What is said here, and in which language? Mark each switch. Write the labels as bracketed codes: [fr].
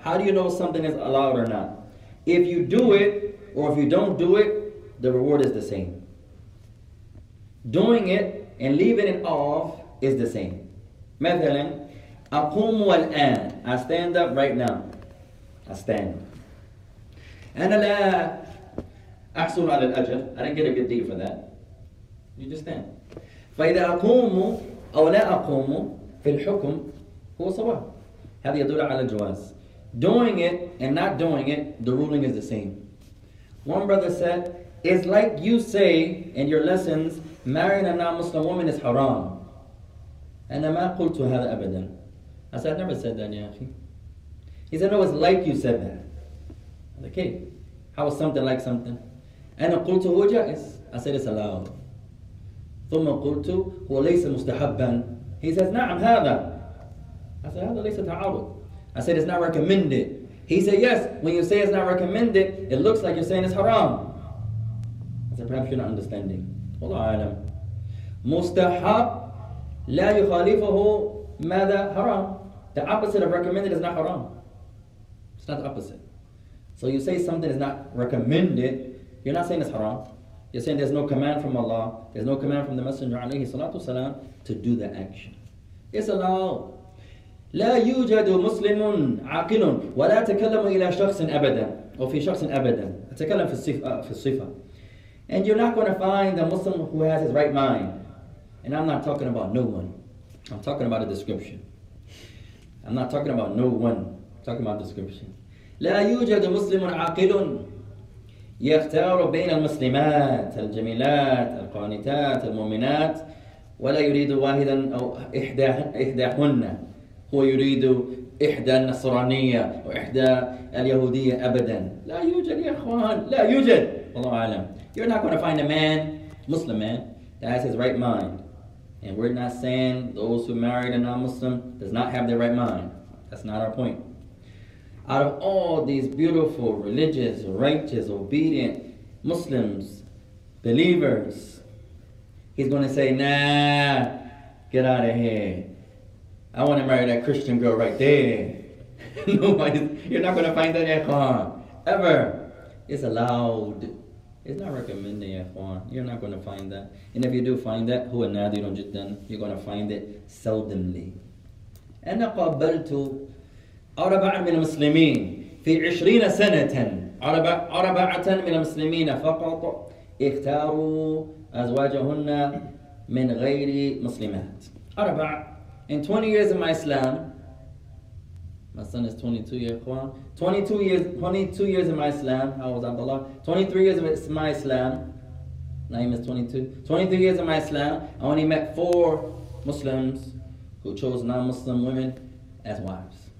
[en] How do you know something is allowed or not? If you do it or if you don't do it, the reward is the same. Doing it and leaving it off is the same. [ar] Methalin, أقوم والآن. [en] I stand up right now. I stand. [ar] أنا لا أحصل على الأجر. [en] I didn't get a good deal for that. You just stand. [ar] فإذا أقوم أو لا أقوم في الحكم هو صواب. هذا يدل على الجواز. [en] Doing it and not doing it, the ruling is the same. One brother said, it's like you say in your lessons, marrying a non-Muslim woman is haram. [ar] أنا ما قلت هذا أبدا. [en] I said, I never said that, ya akhi. He said, no, it's like you said that. I said, okay, how is something like something? [ar] أنا قلت هو جائز. [en] I said, it's allowed. [ar] ثم قلت هو ليس مستحبا. [en] He says, [ar] نعم هذا. [en] I said, [ar] هذا ليس تعارض. [en] I said, it's not recommended. He said, yes, when you say it's not recommended, it looks like you're saying it's haram. I said, perhaps you're not understanding. [ar] والله أعلم. مستحب لا يخالفه ماذا حرام. [en] The opposite of recommended is not haram. It's not the opposite. So you say something is not recommended, you're not saying it's haram. You're saying there's no command from Allah, there's no command from the Messenger [ar] عليه الصلاة والسلام [en] to do the action. It's allowed. [ar] لا يوجد مسلم عاقل ولا تكلم إلى شخص أبدا أو في شخص أبدا تكلم في الصفة. [en] And you're not going to find a Muslim who has his right mind. And I'm not talking about no one. I'm talking about a description. I'm not talking about no one. I'm talking about description. [ar] لا يوجد مسلم عاقل يختار بين المسلمات الجميلات القانتات المؤمنات ولا يريد واحدا أو إحداهن هو يريد إحدى النصرانية أو إحدى اليهودية أبدا. لا يوجد يا أخوان. لا يوجد. الله أعلم. [en] You're not going to find a man, Muslim man, that has his right mind. And we're not saying those who married a non-Muslim does not have their right mind. That's not our point. Out of all these beautiful, religious, righteous, obedient Muslims, believers, he's going to say, nah, get out of here. I want to marry that Christian girl right there. Nobody's, you're not going to find that in Quran, ever. It's allowed. It's not recommended, ya Ikhwan. You're not going to find that. And if you do find that, [ar] هو نادر جدا. [en] You're going to find it seldomly. [ar] أنا قابلت أربعة من المسلمين في عشرين سنة أربعة من المسلمين فقط اختاروا أزواجهن من غير مسلمات. أربعة. [en] In 20 years of my Islam, my son is 22, ya Ikhwan. 22 years of my Islam. How was Abdullah? 23 years of my Islam. Naeem is 22. 23 years of my Islam. I only met 4 Muslims who chose non-Muslim women as wives.